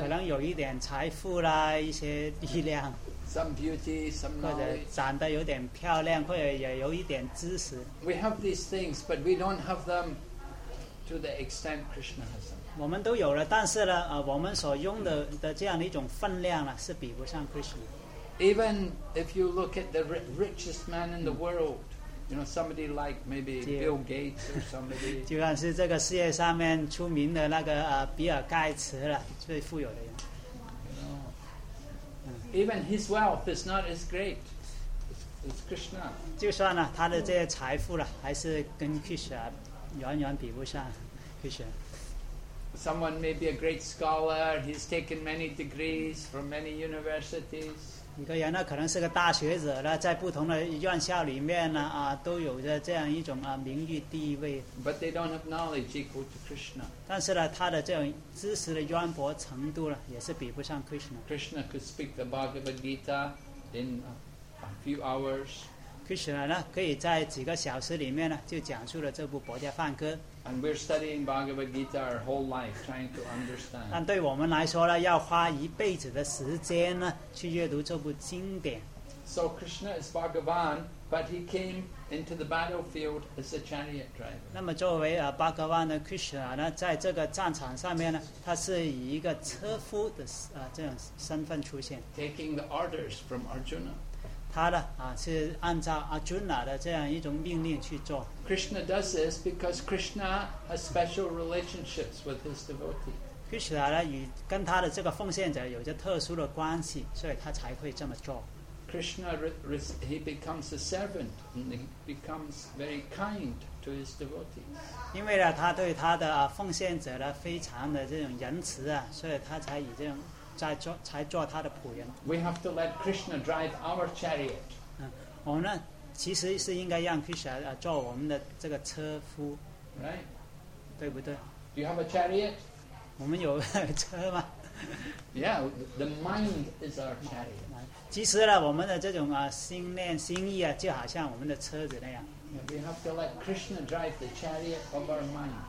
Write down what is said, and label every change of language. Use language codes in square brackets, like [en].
[zh] 可能有一点财富啦一些力量 [en] Some beauty, some knowledge. [zh] 或者长得有点漂亮，或者也有一点知识。 [en] We have these things, but we don't have them to the extent Krishna has them. [zh] 我们都有了，但是呢，我们所用的这样的一种分量呢，是比不上 Krishna。 [en] Even if you look at the richest man in the world, you know somebody like maybe Bill Gates or somebody. [zh] 就算是这个世界上面出名的那个比尔盖茨了，最富有的人。 [en] Even his wealth is not as great. It's Krishna. [zh] 就算了，他的这些财富了，还是跟 Krishna 远远比不上 Krishna. [en] Someone may be a great scholar. He's taken many degrees from many universities. [zh] 一个人呢，可能是个大学者了，在不同的院校里面呢，都有着这样一种名誉地位。 [en] But they don't have knowledge equal to Krishna. [zh] 但是呢，他的这种知识的渊博程度呢，也是比不上 Krishna. [en] Krishna could speak the Bhagavad Gita in a few hours. [zh] Krishna 呢，可以在几个小时里面呢，就讲述了这部《薄伽梵歌》。 [en] And we're studying Bhagavad Gita our whole life, trying to understand. [zh] 但对我们来说呢，要花一辈子的时间呢，去阅读这部经典。 [en] So Krishna is Bhagavan, but he came into the battlefield as a chariot driver. [zh] 那么作为Bhagavan的 Krishna 呢，在这个战场上面呢，他是以一个车夫的这种身份出现。 [en] Taking the orders from Arjuna. [zh] 他呢是按照 Arjuna 的这样一种命令去做。 [en] Krishna does this because Krishna has special relationships with his devotee. [zh] Krishna 呢与跟他的这个奉献者有着特殊的关系，所以他才会这么做。 [en] Krishna he becomes a servant and he becomes very kind to his devotees. [zh] 因为呢他对他的奉献者呢非常的这种仁慈啊，所以他才以这种在做才做他的仆人。 [en] We have to let Krishna drive our chariot. [zh] 我们呢其实是应该让 Krishna 做我们的这个车夫 [en] ，right？ [zh] 对不对 [en] ？Do you have a chariot？ [zh] 我们有车吗 [en] ？Yeah, the mind is our chariot. [zh] 其实呢，我们的这种心念、心意啊，就好像我们的车子那样。 [en] We have to let Krishna drive the chariot of our mind.